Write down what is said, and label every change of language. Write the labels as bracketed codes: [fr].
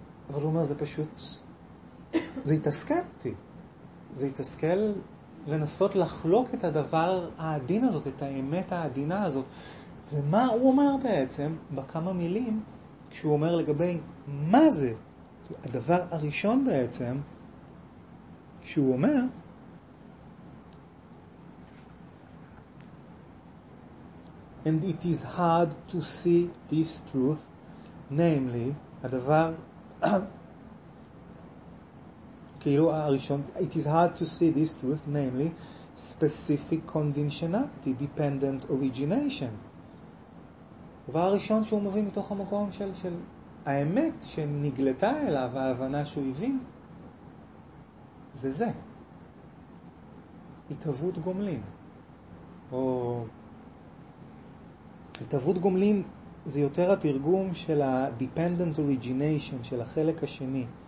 [he] אבל הוא אומר, זה פשוט, זה התעסקל אותי. זה התעסקל לנסות לחלוק את הדבר העדין הזאת, את האמת העדינה הזאת. ומה הוא אומר בעצם, בכמה מילים, כשהוא אומר לגבי מה זה? הדבר הראשון בעצם, שהוא אומר, [en] And it is hard to see this truth, namely, [he] הדבר, כאילו הראשון, [en] It is hard to see this truth, namely, specific conditionality, dependent origination. [he] הדבר הראשון שהוא מביא מתוך המקום של, של האמת שנגלתה אליו, ההבנה שהוא הבין, זה זה. התהוות גומלין. או... התהוות גומלין זה יותר התרגום של ה-dependent origination, של החלק השני.